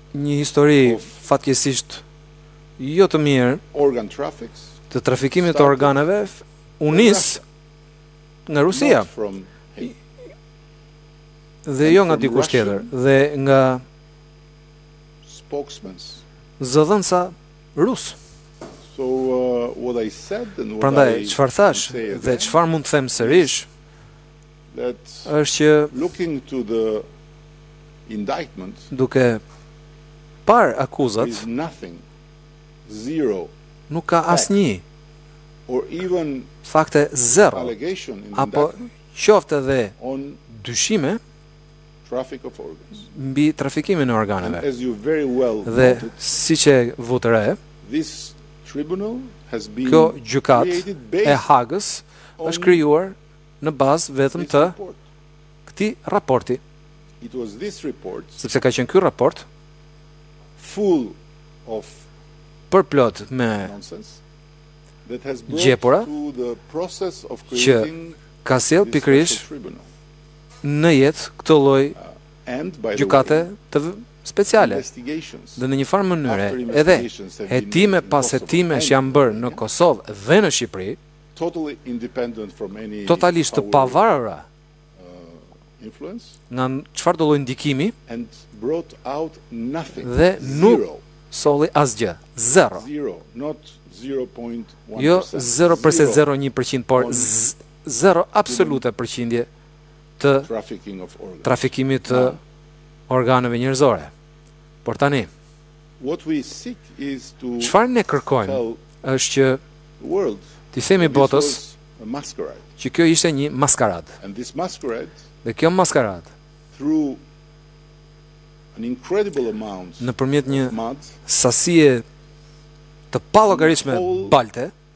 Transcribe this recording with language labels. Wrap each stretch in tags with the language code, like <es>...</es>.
<sq>një histori fatkesisht jo të mirë</sq> <en>organ traffics</en> <sq>të trafikimit të organeve unis nga Rusia</sq> <en>from,</en> <sq>dhe jo nga dikush tjetër dhe nga</sq> <en>spokesmen</en> <sq>zëdhënësa rus.</sq> <en>So what I said and what prandaj, I</en> <sq>çfarë thash dhe çfarë mund të them sërish</sq> <en>that looking to the indictment</en> <sq>duke par akuzat</sq> <en>is nothing zero</en> <sq>nuk ka asnjë</sq> <en>or even</en> <sq>fakte zero</sq> <en>allegation</en> <sq>apo qoftë edhe dyshime</sq> <en>traffic of organs</en> <sq>mbi trafikimin e organeve</sq> <en>as you very well</en> <sq>dhe siç e vutre</sq> <en>this tribunal has been</en> <sq>kjo gjykat e Hagës është krijuar në bazë vetëm të këti raporti.</sq> <en>It was this report,</en> <sq>sepse ka qenë ky raport</sq> <en>full of</en> <sq>për plot me</sq> <en>nonsense, that has</en> <sq>gjepura që ka sjell pikërisht në jetë këtë lloj gjykate të speciale dhe në një farë mënyre edhe hetime pas hetimesh janë bërë në Kosovë dhe në Shqipëri</sq> <en>totally independent from any</en> <sq>totalisht të pavarura</sq> <en>influence</en> <sq>nga çfarë do lloj ndikimi</sq> <en>and brought out nothing</en> <sq>dhe nuk solli asgjë zero</sq> <en>zero not 0.1%</en> <sq>jo 0.01% por zero absolute përqindje të</sq> <en>trafficking of organs</en> <sq>trafikimit të organeve njerëzore por tani</sq> <en>what we seek is to</en> <sq>çfarë ne kërkojmë është që</sq> <en>world</en> <sq>ti themi botës që kjo ishte një maskarad.</sq> <en>And this masquerade,</en> <sq>dhe kjo maskarad</sq> <en>through an incredible amount</en> <sq>në përmjet një sasie të pallogarishme balte</sq>